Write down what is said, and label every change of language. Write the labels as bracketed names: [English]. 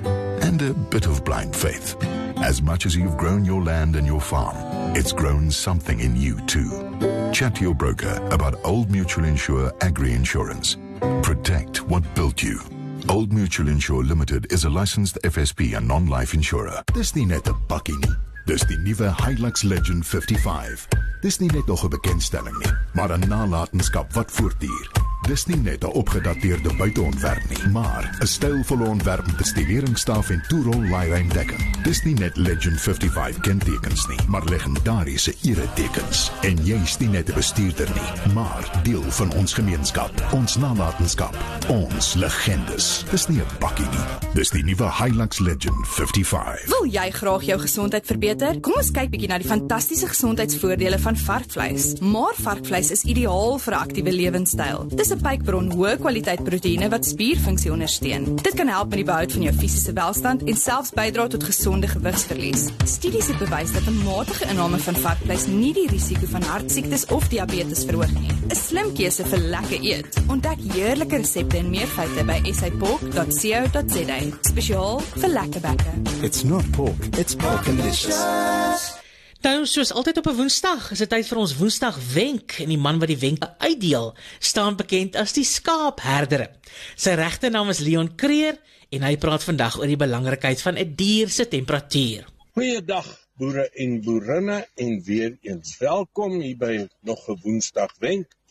[English] And a bit of blind faith. As much as you've grown your land and your farm, it's grown something in you too. Chat to your broker about Old Mutual Insure Agri Insurance. Protect what built you. Old Mutual Insure Limited is a licensed FSP and non-life insurer. [Afrikaans] Dis nie net 'n bakkie nie. Dis die nuwe Hilux Legend 55. Dis nie net nog 'n bekendstelling nie, maar 'n nalatenskap wat voortduur. Dis nie net 'n opgedateerde buiteontwerp nie, maar 'n stylvolle ontwerp met bestuiveringstaaf en toerol laai-ruim dekking. Dis nie net Legend 55 kentekens nie, maar legendariese eretekens. En jy is nie net 'n bestuurder nie, maar deel van ons gemeenskap, ons nalatenskap, ons legendes. Dis nie 'n bakkie nie, dis die nuwe Hilux Legend 55. Wil jy graag jou gesondheid verbeter? Kom ons kyk bietjie na die fantastiese gesondheidsvoordele van varkvleis. Maar varkvleis is ideaal vir 'n aktiewe lewenstyl. Dis 'n pikbron hoë kwaliteit proteïene wat spierfunksie ondersteun. Dit kan help met die behoud van jou fisiese welstand en selfs bydra tot gesonde gewigsverlies. Studies het bewys dat 'n matige inname van varkvleis nie die risiko van hartsiektes of diabetes verhoog nie. 'N Slim keuse vir lekker eet. Ontdek heerlike resepte en meer feite by sapork.co.za. Spesiaal vir lekker bakke. [English] It's not pork, it's pork delicious. [Afrikaans] Nou, soos altyd op 'n Woensdag, is dit tyd vir ons Woensdag wenk en die man wat die wenke uitdeel, staan bekend as die skaapherder. Sy regte naam is Leon Kreer en hy praat vandag oor die belangrikheid van 'n dier se temperatuur. Goeiedag boere en boerinne en weer eens welkom hier by nog 'n Woensdag wenk.